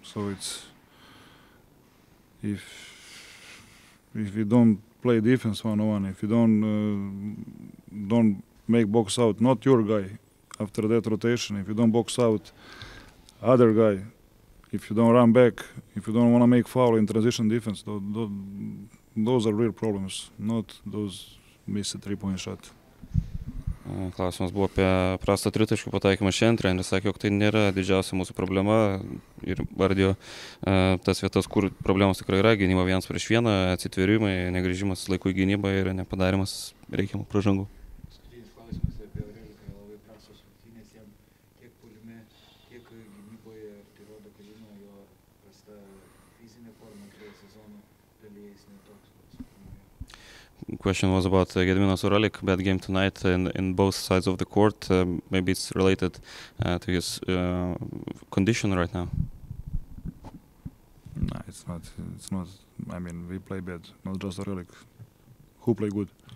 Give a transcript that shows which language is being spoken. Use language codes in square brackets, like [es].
[en] So it's if you don't play defense 1-on-1, if you don't make box out, not your guy. After that rotation, if you don't box out other guy, if you don't run back, if you don't want to make foul in transition defense, those are real problems, not those missed three-point shot. [lt] Klausimas buvo apie prastą tritaškių pataikymą šiandien. Treneris sakė, jog tai nėra didžiausia mūsų problema ir vardijo tas vietas, kur problemos tikrai yra. Gynyba vienas prieš vieną, atsitvėrimai, negrįžimas laikų į gynybą ir nepadarimas reikiamų pražangų. Kiek gynyboje tai rodo, kad žino jo prasta fizinė forma, [en] Question was about Gediminas Uralik, bad game tonight in both sides of the court. Maybe it's related to his condition right now. No, it's not. It's not. I mean, we play bad, not just Uralik, who play good.